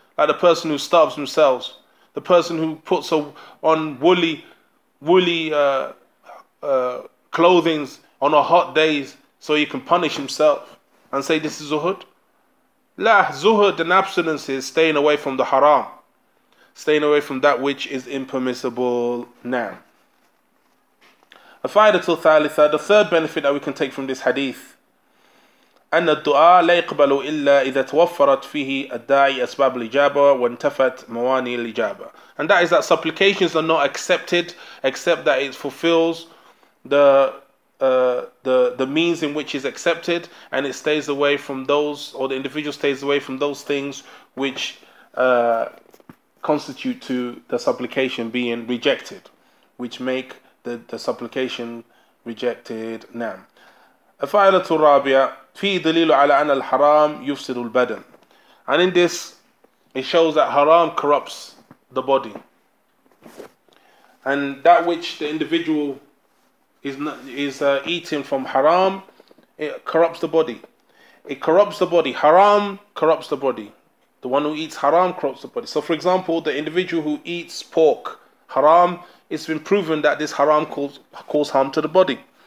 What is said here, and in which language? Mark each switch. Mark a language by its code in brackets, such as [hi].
[en] Like the person who starves themselves, the person who puts on woolly clothing on a hot days so he can punish himself and say this is zuhud. La, zuhud and abstinence is staying away from the haram. Staying away from that which is impermissible now. [ar] Al-Fa'idatul Thalitha, [en] the third benefit that we can take from this hadith, [ar] أن الدعاء لا يقبل إلا إذا توفرت فيه الداعي أسباب الإجابة وانتفت مواني الإجابة. [en] And that is that supplications are not accepted except that it fulfills the means in which is accepted, and it stays away from those, or the individual stays away from those things which constitute to the supplication being rejected, which make the supplication rejected. Naam. [ar] الفائدة الرابعة في دليل على أن الحرام يفسد البدن. [en] And in this, it shows that haram corrupts the body. And that which the individual is eating from haram, it corrupts the body. It corrupts the body. Haram corrupts the body. The one who eats haram corrupts the body. So for example, the individual who eats pork, haram, it's been proven that this haram causes harm to the body.